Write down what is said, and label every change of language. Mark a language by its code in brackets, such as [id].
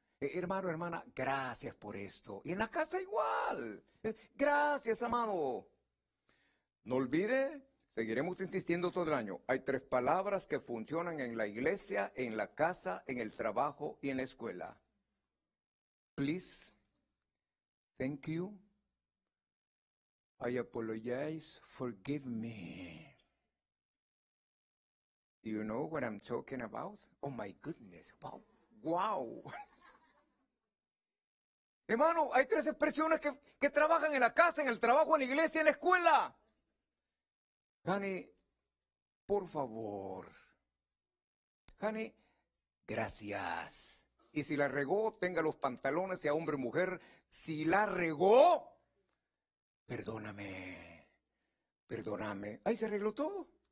[es] Hermano, hermana, gracias por esto. Y en la casa igual. Gracias, amado. No olvide, seguiremos insistiendo todo el año. Hay tres palabras que funcionan en la iglesia, en la casa, en el trabajo y en la escuela. [en] Please, thank you, I apologize, forgive me. Do you know what I'm talking about? Oh my goodness, wow. [es] Hermano, hay tres expresiones que trabajan en la casa, en el trabajo, en la iglesia, en la escuela. Honey, por favor. Honey, gracias. Y si la regó, tenga los pantalones, sea hombre o mujer. Si la regó, perdóname. Perdóname. Ahí se arregló todo.